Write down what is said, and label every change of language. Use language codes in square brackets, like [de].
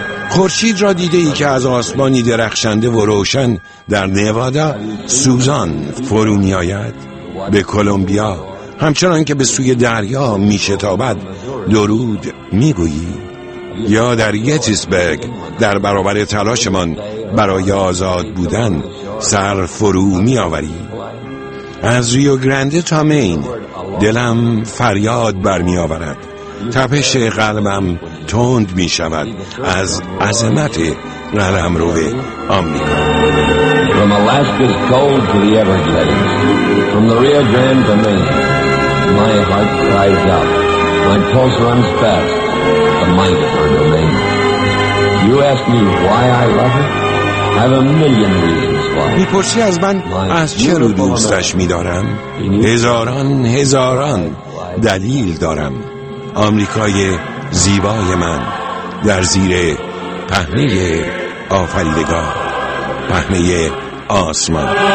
[fa] خورشید را دیده ای که از آسمانی درخشنده و روشن در نوادا سوزان فرو می آید؟ به کولومبیا همچنان که به سوی دریا می شتابد درود می گویی؟ یا در گتیسبرگ در برابر تلاشمان برای آزاد بودن سر فرو می آوری. از ریو گرنده تا مین دلم فریاد بر می آورد، تپش قلبم تند می شود از عظمت قلم رو به آمریکا. [en] From Alaska's cold to the Everglades, from the Rio Grande to Maine, my heart cries out, my pulse runs fast, the might of her domain. You ask me why I love her? I have a million reasons why. [fa] می‌پرسی از من از چه رو دوستش می‌دارم؟ هزاران هزاران دلیل دارم. آمریکای زیبای من در زیر پهنه آفریدگار، پهنه آسمان.